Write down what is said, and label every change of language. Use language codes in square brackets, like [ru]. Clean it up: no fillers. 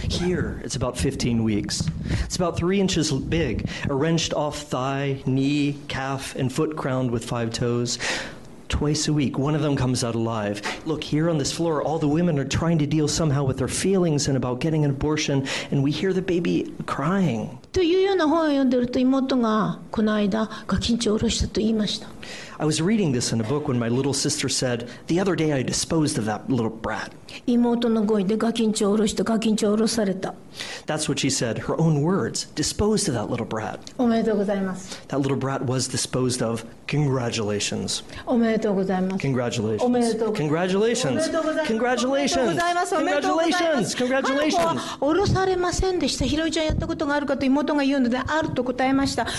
[en] Here, it's about 15 weeks. It's about 3 inches big, a wrenched off thigh, knee, calf, and foot crowned with 5 toes. Twice a week, one of them comes out alive. Look, here on this floor, all the women are trying to deal somehow with their feelings and about getting an abortion, and we hear the baby crying. [ja] というような本を読んでいると妹がこの間ガキンチョを下ろしたと言いました。 [en] I was reading this in a book when my little sister said, the other day I disposed of that little brat. [ja] 妹の声でガキンチョを下ろしてガキンチョを下ろされた。 [en] That's what she said, her own words, disposed of that little brat. [ja] おめでとうございます。 [en] That little brat was disposed of. Congratulations. [ja] おめでとうございます。 [en] Congratulations. [ja] おめでとうございます。 [en] Congratulations. Congratulations. Congratulations. Congratulations. [ja] 彼の子は下ろされませんでした。ひろいちゃんやったことがあるかと妹が言うのであると答えました。